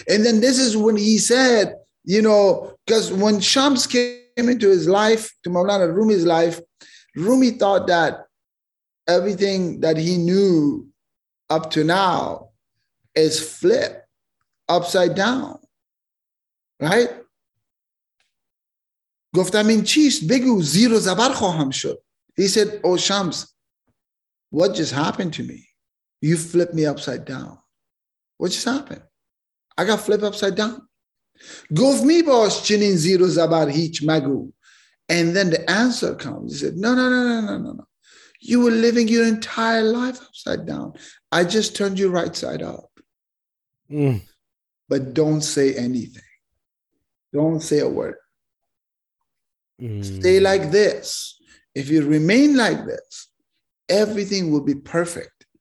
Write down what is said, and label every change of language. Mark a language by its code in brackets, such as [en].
[en] And then this is when he said, you know, because when Shams came into his life, to Mawlana Rumi's life, Rumi thought that everything that he knew up to now is flipped upside down, right? [fa] گفتم این چیست؟ بگو زیر و زبر خواهم شد. [en] He said, oh Shams, what just happened to me? You flipped me upside down. What just happened? I got flipped upside down. [fa] گفت می باش چنین زیر و زبر هیچ مگو. [en] And then the answer comes. He said, no. You were living your entire life upside down. I just turned you right side up. But don't say anything. Don't say a word. Stay like this. If you remain like this, everything will be perfect.